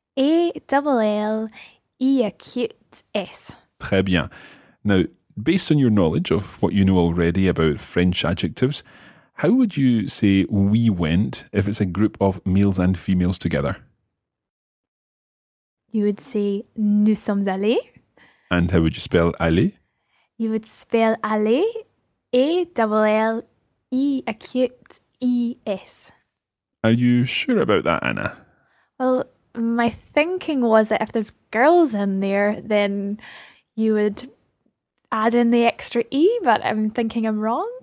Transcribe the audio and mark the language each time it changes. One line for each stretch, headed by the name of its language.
English: A-L-L-E acute S.
French: Très bien.
English: Now, based on your knowledge of what you know already about French adjectives, how would you say we went if it's a group of males and females together? You would say
French: nous sommes allés.
English: And how would you spell allé? You would spell allé, A-L-L-E acute E-S. Are you sure about that, Anna? Well, my thinking was that if there's girls in there, then you would add in the extra E, but I'm thinking I'm wrong.